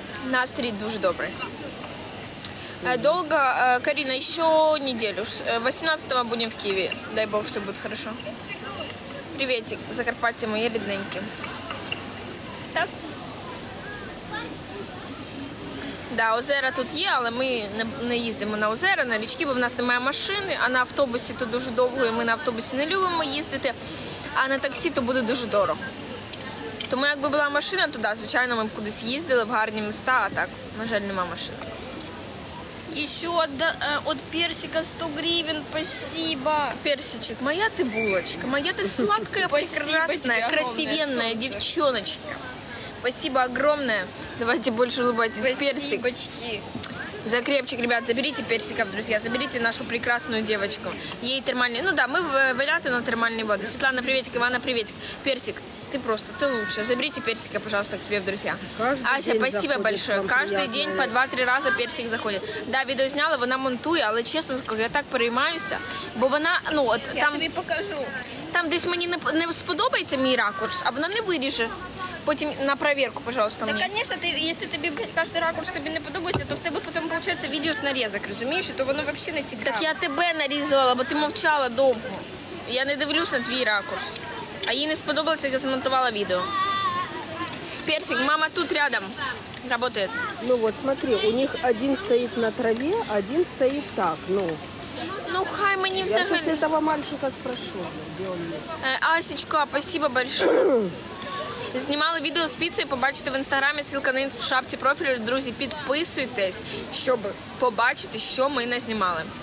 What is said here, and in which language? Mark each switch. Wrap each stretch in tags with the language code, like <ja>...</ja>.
<ru>На стрит дуже добрый. Долго, Карина, еще неделю. 18-го будем в Киеве. Дай бог, все будет хорошо. Приветик, Закарпатье, мои родненькие.</ru> <uk>Так? Да, озера тут є, але ми не їздимо на озера, на річки, бо в нас немає машини, а на автобусі то дуже довго, і ми на автобусі не любимо їздити, а на таксі то буде дуже дорого. Тому якби була машина, то да, звичайно, ми б кудись їздили в гарні міста, а так, на жаль, немає машини. І що, от персика 100 гривень, спасибо. Персичик, моя ти булочка, моя ти сладка, прекрасна, красивенна дівчиночка.</uk> <ru>Спасибо огромное. Давайте больше улыбайтесь. Спасибо. Персик. Спасибочки. Закрепчик, ребят, заберите персиков, друзья. Заберите нашу прекрасную девочку. Ей термальные. Ну да, мы валяты на термальные воды. Светлана, приветик. Ивана, приветик. Персик, ты просто, ты лучше. Заберите персика, пожалуйста, к себе в друзья. Каждый Ася, спасибо большое. Каждый день по 2-3 раза персик заходит.</ru> <uk>Да, видео сняла, вона монтує, але чесно скажу, я так переймаюся, бо вона, ну от там... Я тобі покажу. Там десь мені не сподобається мій ракурс, а вона не виріже.</uk> <ru>Потім на проверку, пожалуйста,</ru> <uk>мені. Так, звісно, якщо тобі кожен ракурс тобі не подобається, то в тебе потім виходить відео з нарізок, розумієш? То воно взагалі не цікаво. Так я тебе нарізувала, бо ти мовчала довго. Я не дивлюсь на твій ракурс. А їй не сподобалося, як я змонтувала відео.</uk> <ru>Персик, мама тут рядом. Работает.</ru> <uk>Ну от, смотри, у них один стоїть на траві, один стоїть так, ну. Ну хай мені взагалі. Я зараз цього</uk> <ru>мальчика спрошу,</ru> <uk>де він.</uk> <ru>Асічка, спасибо большое.</ru> <uk>Знімали відео з піцею, побачите в інстаграмі,</uk> <ru>ссылка на інст</ru> <uk>в шапці профілю. Друзі, підписуйтесь, щоб побачити, що ми назнімали.</uk>